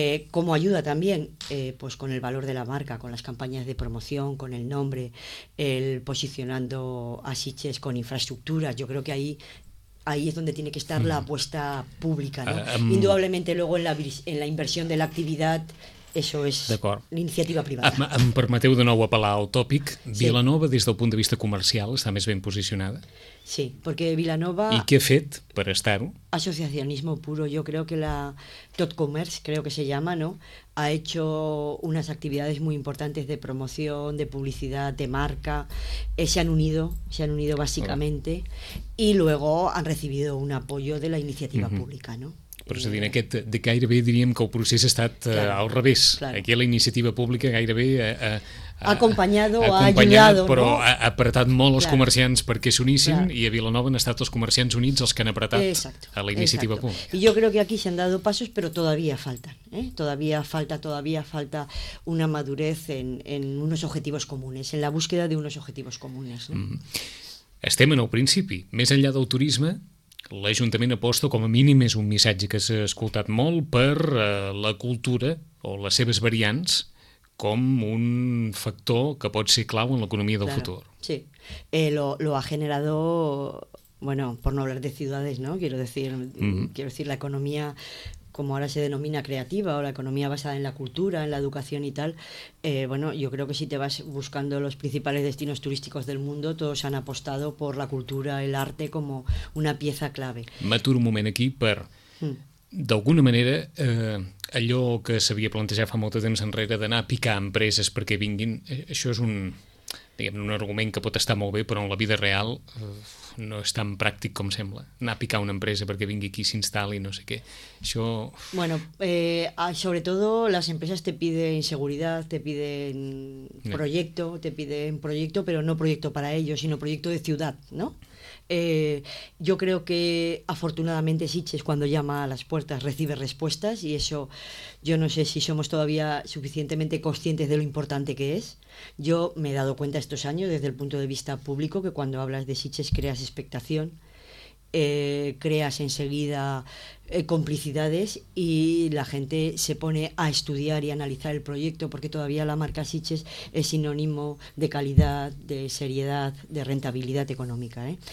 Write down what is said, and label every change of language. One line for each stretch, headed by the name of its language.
Spanish: Como ayuda también, pues con el valor de la marca, con las campañas de promoción, con el nombre, el posicionando a Sitges con infraestructuras. Yo creo que ahí es donde tiene que estar la apuesta pública, ¿no? Indudablemente luego en la inversión de la actividad, eso es la iniciativa privada.
Catalan: Em permeteu de nou apel·lar al tòpic. Sí. Vilanova, des del punt de vista comercial, està més ben posicionada?
Spanish: Sí, porque Vilanova...
Catalan: I què ha fet per estar-ho?
Spanish: Asociacionismo puro. Yo creo que la Tot Comerç, creo que se llama, ¿no?, ha hecho unas actividades muy importantes de promoción, de publicidad, de marca. Se han unido básicamente. Y luego han recibido un apoyo de la iniciativa pública, ¿no?
Catalan: Però és a dir, aquest de gairebé diríem que el procés ha estat al revés. Clar. Aquí la iniciativa pública gairebé acompanyado, ajudado, però no? Ha apretat molt els comerciants perquè s'unissin, i a Vilanova han estat els comerciants units els que han apretat a la iniciativa pública. I jo crec que aquí s'han dado passos, però
Spanish: todavía faltan. Todavía falta una madurez en unos objetivos comunes, en la búsqueda de unos objetivos comunes.
Catalan: Estem en el principi. Més enllà del turisme, l'Ajuntament aposta, com a mínim és un missatge que s'ha escoltat molt, per la cultura o les seves variants com un factor que pot ser clau en l'economia del futur.
Spanish: Sí, lo ha generado, bueno, por no hablar de ciudades, ¿no? Quiero decir la economía, como ahora se denomina creativa, o la economía basada en la cultura, en la educación y tal, bueno, yo creo que si te vas buscando los principales destinos turísticos del mundo, todos han apostado por la cultura, el arte, como una pieza clave.
Catalan: M'aturo un moment aquí per... D'alguna manera, allò que s'havia plantejat fa molt de temps enrere d'anar a picar empreses perquè vinguin, això és un, diguem, un argument que pot estar molt bé, però en la vida real no és tan pràctic com sembla. Anar a picar una empresa perquè vingui aquí, s'instal·li, no sé què. Això... Bueno, sobretot les empreses
Spanish: te piden
Catalan: seguretat, te piden projecte, te piden projecte, però no projecte per a ells, sinó projecte de ciutat, no?
Spanish: Yo creo que afortunadamente Sitges, cuando llama a las puertas, recibe respuestas, y eso yo no sé si somos todavía suficientemente conscientes de lo importante que es. Yo me he dado cuenta estos años, desde el punto de vista público, que cuando hablas de Sitges creas expectación, creas enseguida complicidades, y la gente se pone a estudiar y analizar el proyecto, porque todavía la marca Sitges es sinónimo de calidad, de seriedad, de rentabilidad económica,